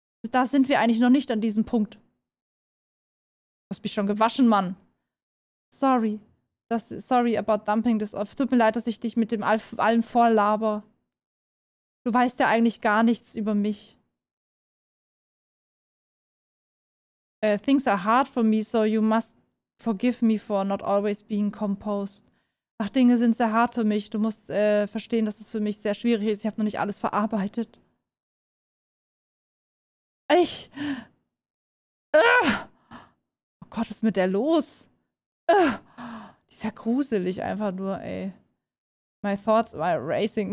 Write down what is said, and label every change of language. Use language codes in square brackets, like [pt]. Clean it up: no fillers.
[de] Da sind wir eigentlich noch nicht an diesem Punkt. Du hast mich schon gewaschen, Mann. [en] Sorry about dumping this off. [de] Tut mir leid, dass ich dich mit dem allem vorlaber. Du weißt ja eigentlich gar nichts über mich. [en] Things are hard for me, so you must forgive me for not always being composed. [de] Ach, Dinge sind sehr hart für mich. Du musst verstehen, dass es für mich sehr schwierig ist. Ich habe noch nicht alles verarbeitet. Ich. Oh Gott, was ist mit der los? Ist ja gruselig, einfach nur, ey. [en] My thoughts are racing.